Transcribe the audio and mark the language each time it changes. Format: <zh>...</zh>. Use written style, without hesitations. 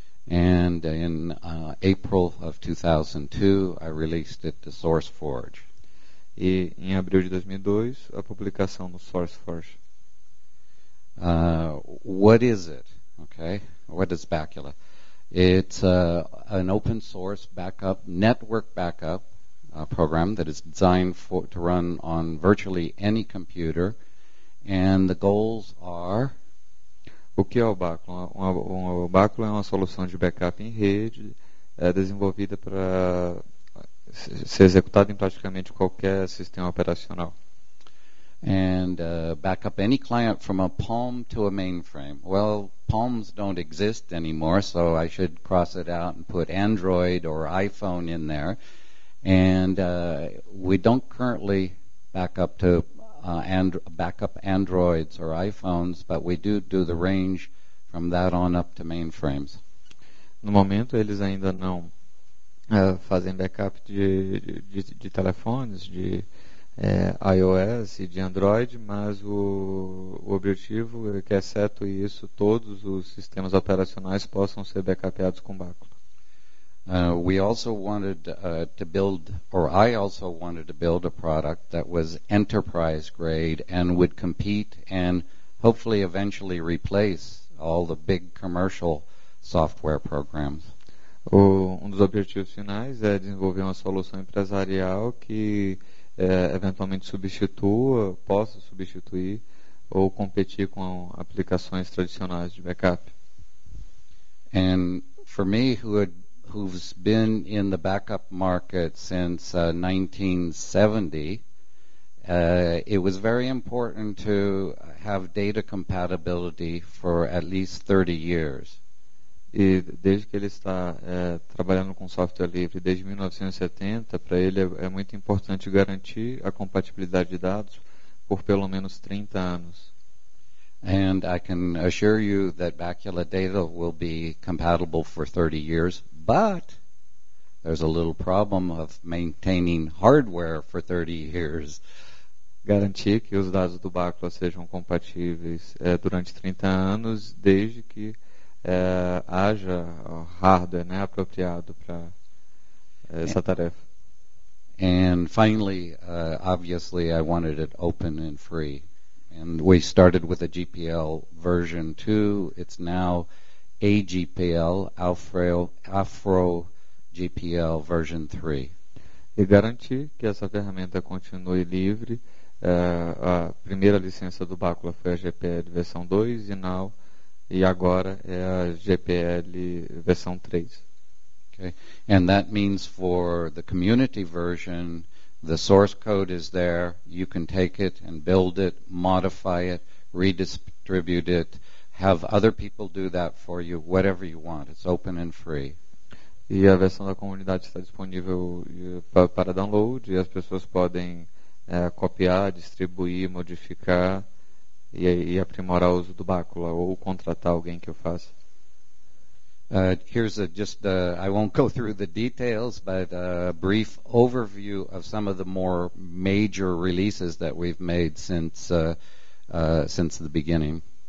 <en>And in April of 2002, I released it to SourceForge.</en> <pt>E em abril de 2002, a publicação no SourceForge.</pt> <en>What is it? Okay. What is Bacula? It's an open source backup, network backup program that is designed for to run on virtually any computer, and the goals are.</en> <pt>O que é o Bacula? O Bacula é uma solução de backup em rede, desenvolvida para ser executada em praticamente qualquer sistema operacional.</pt> <en>And back up any client from a palm to a mainframe. Well, palms don't exist anymore, so I should cross it out and put Android or iPhone in there. And we don't currently back up to Androids or iPhones, but we do do the range from that on up to mainframes.</en> <pt>No momento, eles ainda não fazem backup de telefones, de iOS e de Android, mas o objetivo é que, exceto isso, todos os sistemas operacionais possam ser backupados com Bacula.</pt> <en>We also wanted to build, or I also wanted to build a product that was enterprise grade and would compete and hopefully eventually replace all the big commercial software programs.</en> <pt>Um dos objetivos finais é desenvolver uma solução empresarial que eventualmente possa substituir ou competir com aplicações tradicionais de backup.</pt> <en>And for me, who's been in the backup market since 1970, it was very important to have data compatibility for at least 30 years.</en> <pt>E desde que ele está trabalhando com software livre desde 1970, para ele é muito importante garantir a compatibilidade de dados por pelo menos 30 anos.</pt> <en>And I can assure you that Bacula data will be compatible for 30 years, but there's a little problem of maintaining hardware for 30 years.</en> <pt>Garantir que os dados do Bacula sejam compatíveis durante 30 anos, desde que haja hardware, né, apropriado para essa tarefa.</pt> <en>And finally, obviously, I wanted it open and free. And we started with a GPL version 2. It's now AGPL, Afro GPL version 3.</en> <pt>E garantir que essa ferramenta continue livre. A primeira licença do Bacula foi a GPL versão 2 e agora é a GPL versão 3.</pt> <en>Okay. And that means for the community version, the source code is there. You can take it and build it, modify it, redistribute it, have other people do that for you, whatever you want. It's open and free.</en> <pt>E a versão da comunidade está disponível para download e as pessoas podem copiar, distribuir, modificar e aprimorar o uso do Bacula ou contratar alguém que o faça.</pt> <en>Here's I won't go through the details, but a brief overview of some of the more major releases that we've made since the beginning.</en>